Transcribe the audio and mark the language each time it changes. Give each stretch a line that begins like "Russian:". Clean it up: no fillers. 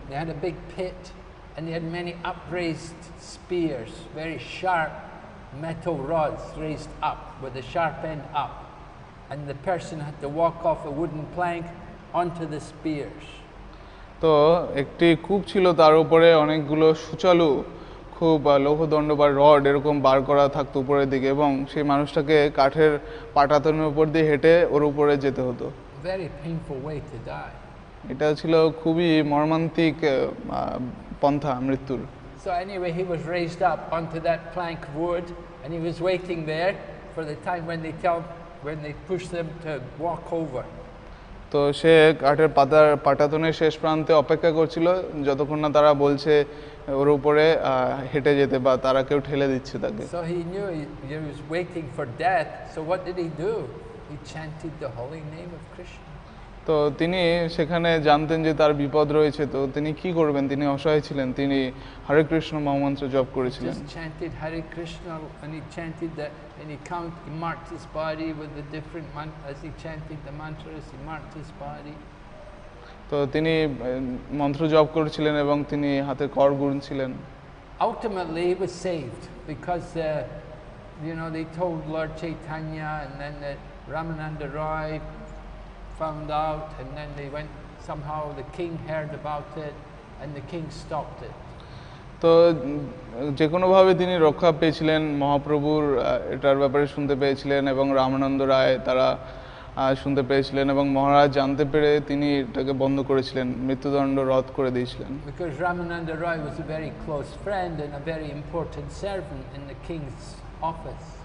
English: They had a big pit and they had many upraised spears, very sharp metal rods raised up with a sharp end up. And the person had to walk off a wooden plank onto the spears.
Bangla: তো একটি কূপ ছিল, তার উপরে অনেকগুলো সুচালু খুব লৌহদণ্ড বা rod এরকম বার করা থাকতো উপরের দিকে এবং সেই মানুষটাকে কাঠের পাটাতনের উপর দিয়ে হেঁটে ওর উপরে যেতে হতো।
English: Very painful way to die.
Bangla: এটা ছিল খুবই মর্মান্তিক পন্থা মৃত্যুর।
English: So anyway, he was raised up onto that plank of wood and he was waiting there for the time when they pushed them to walk over.
Bangla: তো সে কাঠের পাটাতনের শেষ প্রান্তে অপেক্ষা করছিল যতক্ষণ না তারা বলছে ওর উপরে হেঁটে যেতে বা তারা কেউ ঠেলে দিচ্ছে তাকে।
English: So he knew he was waiting for death. So what did he do? He chanted the holy name of Krishna.
Bangla: তো তিনি সেখানে জানতেন যে তার বিপদ রয়েছে, তো তিনি কি করবেন? তিনি অসহায় ছিলেন, তিনি হরে কৃষ্ণ মহামন্ত্র জপ করেছিলেন।
English: He chanted Hare Krishna and he chanted that and he marked his body with the different mantras. He chanted the mantras, he marked his body.
Bangla: তো তিনি মন্ত্র জপ করেছিলেন এবং তিনি হাতে কর গুনছিলেন।
English: Ultimately he was saved because they told Lord Chaitanya and then the Ramananda Roy found out and then they went somehow the king heard about it and the king stopped it.
Bangla: তো যে কোনো ভাবে তিনি রক্ষা পেয়েছিলেন, মহাপ্রভুর এটার ব্যাপারে শুনতে পেয়েছিলেন এবং রামানন্দ রায় তারা শুনতে পেয়েছিলেন এবং মহারাজ জানতে পেরে তিনি এটাকে বন্ধ করেছিলেন, মৃত্যুদণ্ড রদ করে দিয়েছিলেন।
English: Because Ramananda Roy was a very close friend and a very important servant in the king's office.